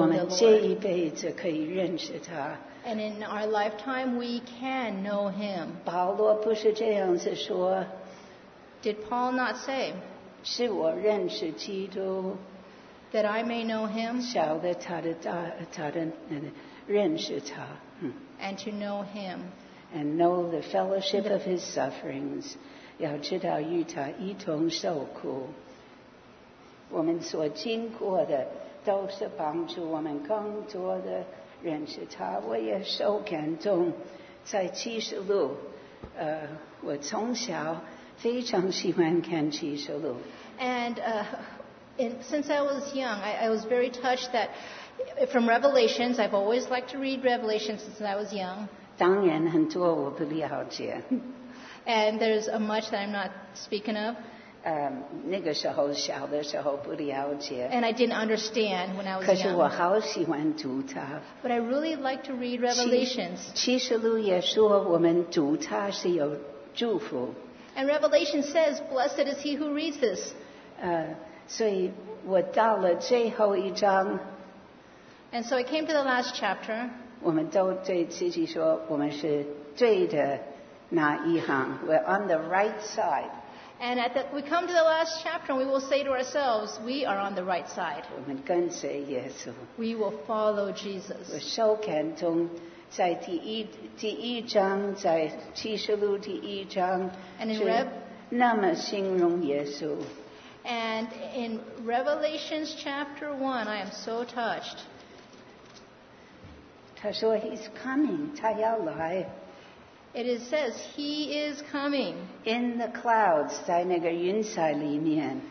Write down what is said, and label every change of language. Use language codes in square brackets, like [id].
[zh] 我们这一辈子可以认识他, [en] the Lord. And in our lifetime, we can know him. [zh] 保罗不是这样子说, [en] did Paul not say? [zh] 使我认识基督, [en] that I may know him, [zh] 晓得他的认识他, [en] and to know him, and know the fellowship of his sufferings, [zh] 要知道与他一同受苦, 我们所经过的都是帮助我们更多的认识他, 我也受感动, 在启示录, 我从小, 非常喜欢看启示录。 [en] And since I was young, I was very touched that from Revelations, I've always liked to read Revelations since I was young. [zh] 当然很多我不了解。 [en] And there's a much that I'm not speaking of. [zh] 那个时候小的时候不了解。 [en] And I didn't understand when I was [zh] 可是我好喜欢读它。 [en] young. But I really like to read Revelations. [zh] 启示录也说我们读它是有祝福。 [en] And Revelation says, blessed is he who reads this. [zh] 所以我到了最后一章, [en] and so I came to the last chapter. [zh] 我们都对自己说,我们是对的那一行, [en] we're on the right side. And at the, we come to the last chapter and we will say to ourselves, we are on the right side. [zh] 我们跟随耶稣, [en] we will follow Jesus. [zh] 我受感动, 在第一章, 在启示录第一章, [en] and in Rev [zh] 那么形容耶稣, [en] and in Revelations chapter 1, I am so touched. [zh] 他说, [en] he's coming, [zh] 他要来。 [en] It is, says, he is coming. In the clouds, [zh] 在那个云彩里面,